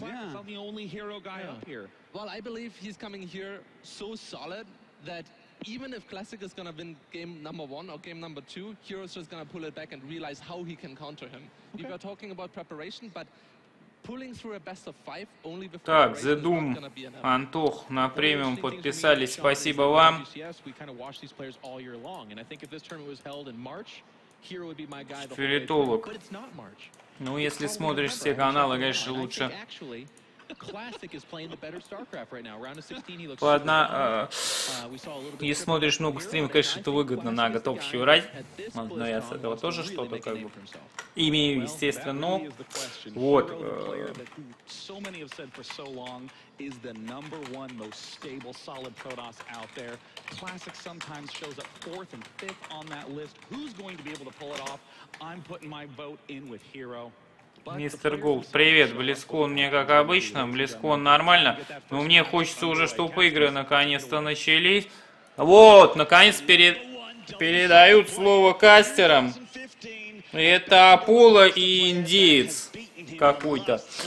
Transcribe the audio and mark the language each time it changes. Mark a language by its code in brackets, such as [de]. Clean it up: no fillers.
[en] Yeah. I'm the only Hero guy up here. Well, I believe he's coming here so solid that even if Classic is gonna win game number one or game number two, Hero's just gonna pull it back and realize how he can counter him. Okay. We were talking about preparation, but pulling through a best of five only before. [ru] Так, The Doom, Антох, на премиум подписались. Спасибо вам. [en] We kind of watch these players all year long, and I think if this tournament was held in March, Hero would be my guy. [ru] Спиритолог. [en] But it's not March. [ru] Ну, если смотришь все каналы, конечно, лучше. [en] Classic is playing the better StarCraft right now. Round of 16, he looks. [ru] Ладно, и смотришь много стримов, конечно, это выгодно на год общую рать. Но я с этого тоже что-то как бы имею, естественно. Вот. [en] So many have said for so long is the number one most stable, solid Protoss out there. Classic sometimes shows up fourth and fifth on that list. Who's going to be able to pull it off? I'm putting my vote in with Hero. [ru] Мистер Голд, привет, Близкон мне как обычно, Близкон нормально, но мне хочется уже, чтобы игры наконец-то начались. Вот, наконец передают слово кастерам. Это Аполло и индиец какой-то.